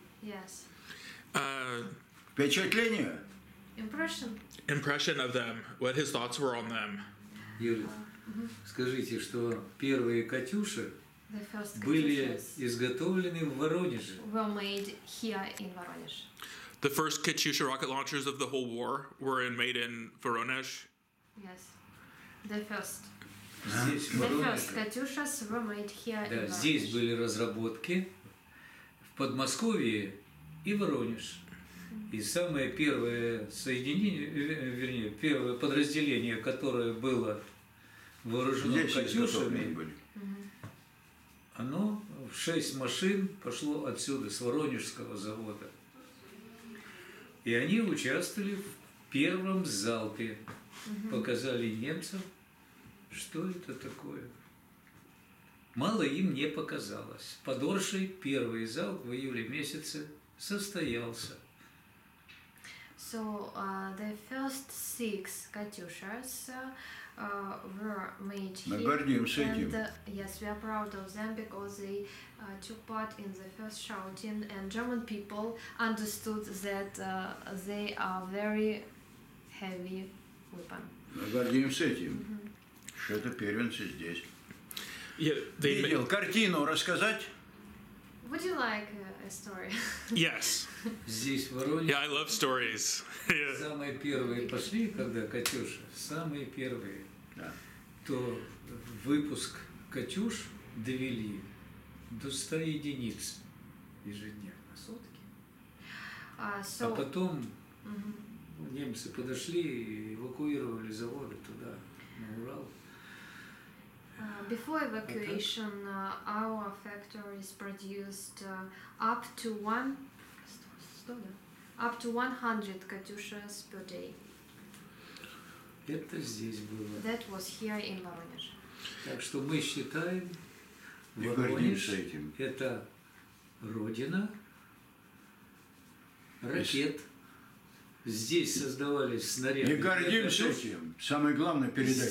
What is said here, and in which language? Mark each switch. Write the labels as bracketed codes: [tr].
[en] Yes. [ru] Впечатление? [en] Impression. Impression of them. What his thoughts were on them. [ru] Юля, скажите, что первые Катюши были изготовлены в Воронеже. [en] Were made here in Воронеж. The first Katyusha rocket launchers of the whole war were made in Voronezh? Yes. The first. The first Katyushas were made here in Voronezh. [ru] Здесь были разработки в Подмосковье и Воронеж. И самое первое соединение, вернее, первое подразделение, которое было вооружено Катюшами, оно в 6 машин пошло отсюда, с Воронежского завода. И они участвовали в первом залпе, показали немцам, Что это такое? Мало им не показалось. Подорожный первый залп в июле месяце состоялся. [en] So the first six Katyushas were made here. [ru] Мы гордимся этим. [en] Yes, we are proud of them because they took part in the first shouting, and German people understood that they are very heavy weapon. [ru] Мы гордимся этим, что это первенцы здесь. Видел картину рассказать? [en] Would you like a story? Yes. [ru] Здесь Воронеж. [en] Yeah, I love stories. [ru] Самые первые пошли, когда Катюша, самые первые, то выпуск Катюш довели до 100 единиц ежедневно, сутки. А потом немцы подошли и эвакуировали заводы туда, на Урал. [en] Before evacuation, our factories produced up to 100 Katyushas per day. [ru] Это здесь было. [en] That was here in Воронеж. [ru] Так что мы считаем, Воронеж – это родина ракет. Здесь создавались снаряды. И гордимся этим. Самое главное передать.